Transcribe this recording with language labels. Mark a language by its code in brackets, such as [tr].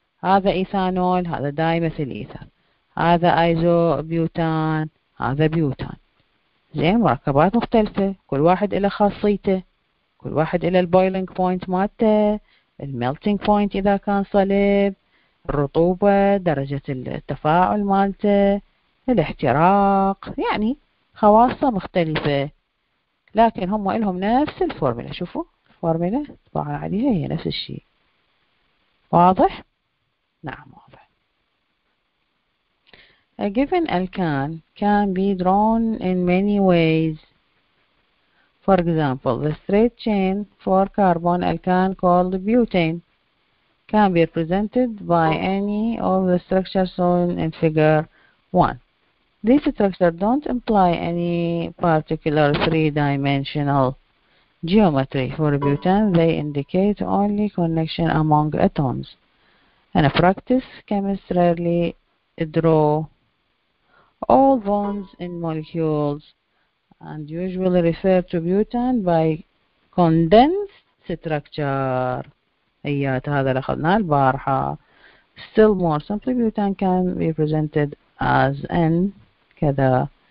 [ar] هذا ايثانول هذا دايميثيل ايثر، هذا ايزوبيوتان هذا بيوتان، زين مركبات مختلفة، كل واحد إلى خاصيته، كل واحد إلى البويلينج بوينت مالته، الميلتينج بوينت إذا كان صلب، الرطوبة، درجة التفاعل مالته، الاحتراق، يعني خواصه مختلفة، لكن هم إلهم نفس الفورمولا، شوفوا الفورمولا طبعا عليها هي نفس الشيء، واضح؟ نعم واضح. [en] A given alkan can be drawn in many ways. For example, the straight chain for carbon alkan called butane can be represented by any of the structures shown in figure 1. These structures don't imply any particular three-dimensional geometry. For butane, they indicate only connection among atoms. In a practice, chemists rarely draw all bonds in molecules and usually refer to butane by condensed structure. [ar] ايات هذا اللي اخذناه البارحة. [en] Still more simply, butane can be presented as N كذا.